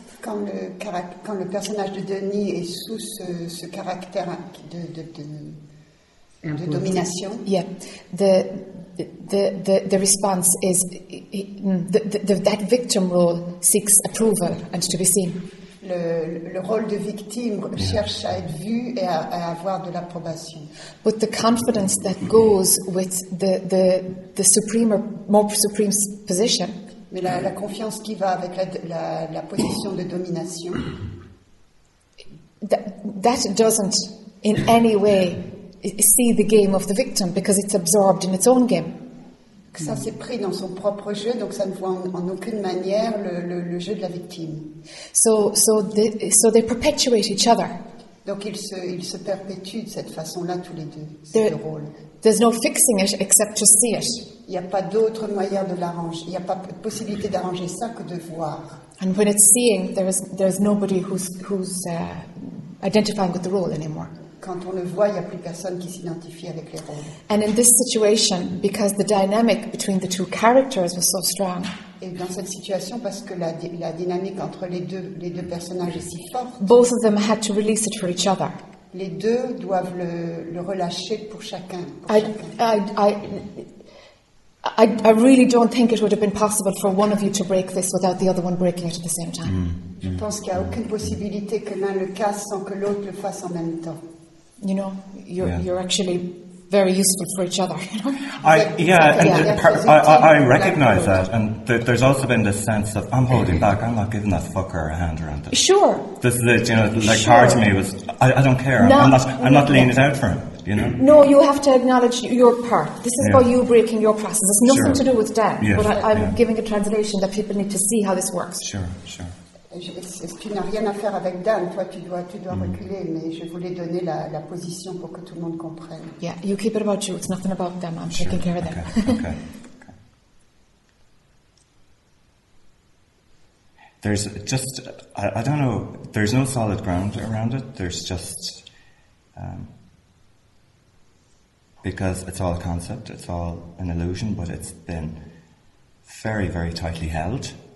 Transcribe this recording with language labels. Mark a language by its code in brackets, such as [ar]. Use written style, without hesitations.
[fr] Quand le personnage de Denis est sous ce caractère de domination. [en] Yeah. The response is that victim role seeks approval and to be seen. [fr] Le rôle de victime cherche à être vu et à avoir de l'approbation. [en] But the confidence that goes with the supremer, more supreme position. [fr] Mais la confiance qui va avec la position de domination. [en] That doesn't in any way see the game of the victim because it's absorbed in its own game. [fr] Que ça s'est pris dans son propre jeu, donc ça ne voit en aucune manière le jeu de la victime. [en] So they perpetuate each other. [fr] Donc ils se perpétuent de cette façon-là tous les deux, ces deux rôles. [en] There's no fixing it except to see it. [fr] Il n'y a pas d'autre moyen de l'arranger. Il n'y a pas de possibilité d'arranger ça que de voir. [en] And when it's seeing, there's nobody who's identifying with the role anymore. [fr] Quand on le voit, il n'y a plus personne qui s'identifie avec les rôles. [en] And in this situation, because the dynamic between the two characters was so strong. [fr] Et dans cette situation, parce que la dynamique entre les deux personnages est si forte. [en] Both of them had to release it for each other. [fr] Les deux doivent le relâcher pour chacun. [en] I really don't think it would have been possible for one of you to break this without the other one breaking it at the same time. [fr] Je pense qu'il n'y a aucune possibilité que l'un le casse sans que l'autre le fasse en même temps. [en] You know, you're actually very useful for each other. I recognize that, and there's also been this sense of I'm holding back. I'm not giving that fucker a hand around this. Sure. This is it. You know, like part to me was I don't care. I'm not leaning it out for him. You know. No, you have to acknowledge your part. This is about you breaking your process. It's nothing to do with Dan. Yes. But I'm giving a translation that people need to see how this works. Sure. Sure. [fr] Tu n'as rien à faire avec Dan, toi tu dois reculer, mais je voulais donner la position pour que tout le monde comprenne. [en] Yeah, you keep it about you, it's nothing about them, I'm sure. Taking care of okay. them. Okay. There's just, I don't know, there's no solid ground around it, there's just, because it's all a concept, it's all an illusion, but it's been very, very tightly held.